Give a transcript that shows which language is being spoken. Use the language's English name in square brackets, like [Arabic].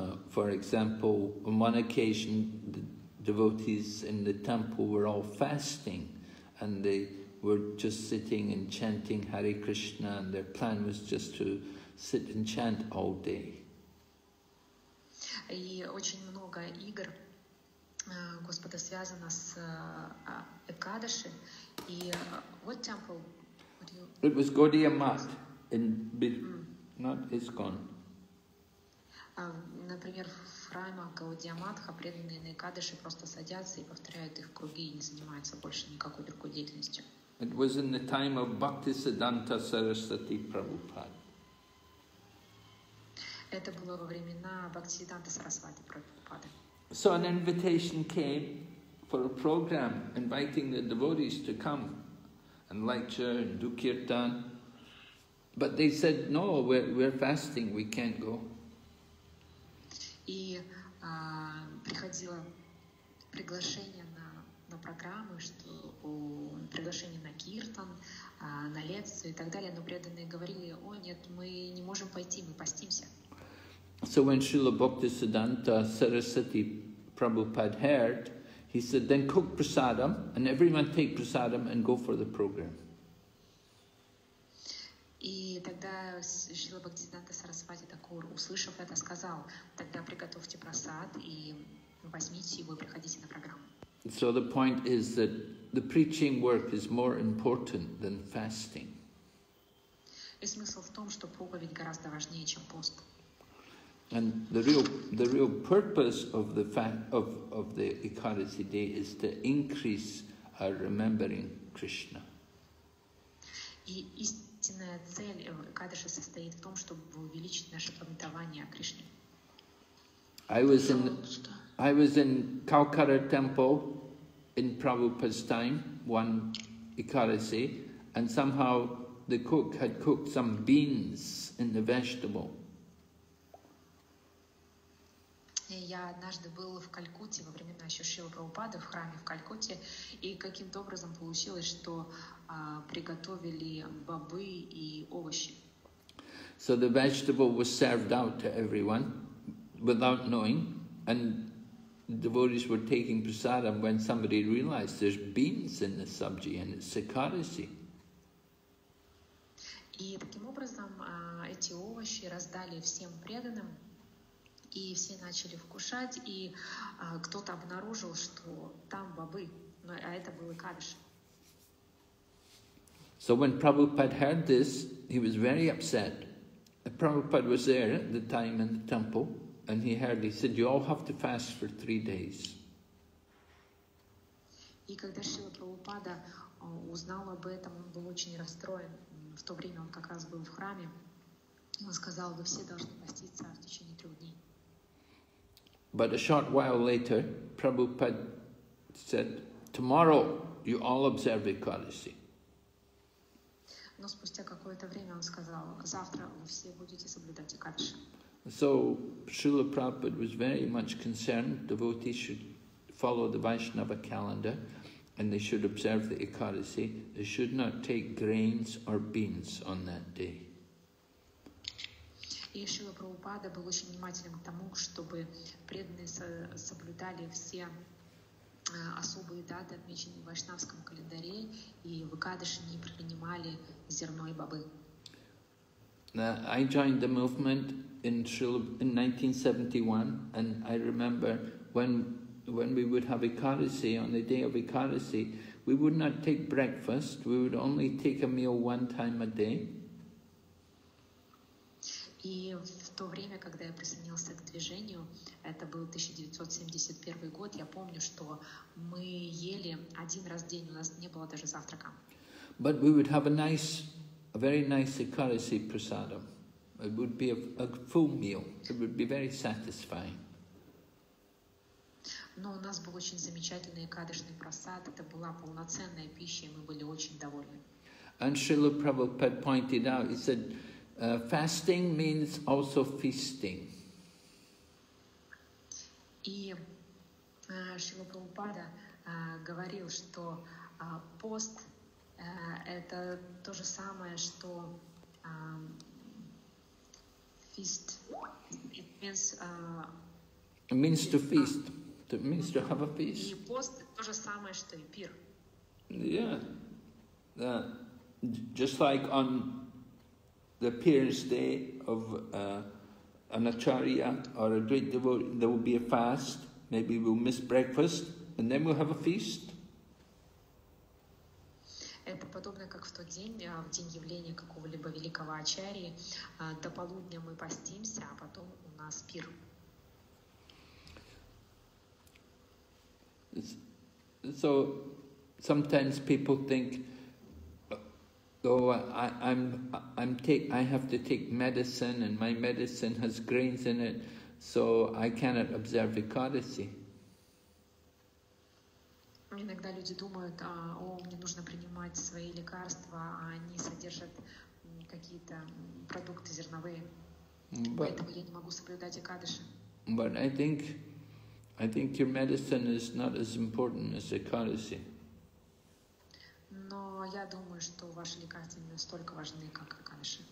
[English] For example, on one occasion, the devotees in the temple were all fasting, and they were just sitting and chanting Hare Krishna, and their plan was just to sit and chant all day. [Russian] И очень много игр Господа связано с Экадаши. [English] И what temple? It was Gaudiya Math in not ISKCON. [Russian] Например, в храмах Гаудия Матха преданные на Экадаши просто садятся и повторяют их в круги и не занимаются больше никакой другой деятельностью. [English] It was in the time of Bhaktisiddhanta Sarasvati Prabhupada. [Russian] Это было во времена Бхактисиддханты Сарасвати Прабхупады. [English] So an invitation came for a program inviting the devotees to come and lecture and do kirtan. But they said, no, we're fasting, we can't go. [Russian] И приходило приглашение на программу, что приглашение на киртан, на лекцию и так далее, но преданные говорили, о нет, мы не можем пойти, мы постимся. [English] So when Srila Bhaktisiddhanta Sarasvati Prabhupada heard, he said, then cook prasadam, and everyone take prasadam and go for the program. [Russian] И тогда Шрила Бхактисиддханта Сарасвати Такур, услышав это, сказал, тогда приготовьте прасад и возьмите его и приходите на программу. [English] So the point is that the preaching work is more important than fasting. [Russian] И смысл в том, что проповедь гораздо важнее, чем пост. [English] And the real purpose of the fact of the Ekadasi day is to increase our remembering Krishna. [Russian] И истинная цель Экадаши состоит в том, чтобы увеличить наше памятование о Кришне. [English] I was in Calcutta temple in Prabhupada's time one Ekadasi, and somehow the cook had cooked some beans in the vegetable. [Russian] Я однажды был в Калькутте во времена Шрилы Прабхупады в храме в Калькутте, и каким-то образом получилось, что приготовили бобы и овощи. [English] So the vegetable was served out to everyone without knowing, and devotees were taking prasadam when somebody realized there's beans in the sabji and it's Ekadasi. [Russian] И таким образом эти овощи раздали всем преданным. И все начали вкушать, и кто-то обнаружил, что там бобы, а это был Экадаши. [English] So when Prabhupada heard this, he was very upset. Prabhupada was there at the time in the temple, and he heard, he said, you all have to fast for 3 days. [Russian] И когда Шрила Прабхупада узнал об этом, он был очень расстроен. В то время он как раз был в храме. Он сказал, вы все должны поститься в течение 3 дней. [English] But a short while later, Prabhupada said, tomorrow you all observe Ekadasi. [Russian] Но спустя какое-то время он сказал, завтра вы все будете соблюдать Экадаши. [English] So Srila Prabhupada was very much concerned devotees should follow the Vaishnava calendar and they should observe the Ekadasi. They should not take grains or beans on that day. [Russian] И Шрила Прабхупада был очень внимателен к тому, чтобы преданные соблюдали все особые даты, отмеченные в вайшнавском календаре, и в Экадаши не принимали зерно и бобы. [English] I joined the movement in 1971, and I remember when we would have Ekadasi, on the day of Ekadasi, we would not take breakfast, we would only take a meal one time a day. [Russian] И в то время, когда я присоединился к движению, это был 1971 год, я помню, что мы ели один раз в день, у нас не было даже завтрака. [English] But we would have a nice, a very nice Ekadasi prasadam. It would be a full meal. It would be very satisfying. [Russian] Но у нас был очень замечательный Экадашный прасад. Это была полноценная пища, и мы были очень довольны. [English] And Srila Prabhupada pointed out, he said, fasting means also feasting. [Russian] И Шрила Прабхупада говорил, что пост это то же самое, что feast. [English] It means it means to feast. It means to have a feast. [Russian] И пост то же самое, что и пир. [English] Yeah. Just like on the appearance day of an acharya or a great devotee, there will be a fast. Maybe we'll miss breakfast and then we'll have a feast. [Russian] Это подобно, как в тот день, в день явления какого-либо великого ачарьи, до полудня мы постимся, а потом у нас пир. [English] So sometimes people think, I have to take medicine and my medicine has grains in it, so I cannot observe Ekadasi. [Russian] Иногда люди думают, мне нужно принимать свои лекарства, а они содержат какие-то продукты зерновые, поэтому я не могу соблюдать Экадаши. [English] But I think your medicine is not as important as Ekadasi. [Russian] Но я думаю, что ваши лекарства не настолько важны, как Экадаши.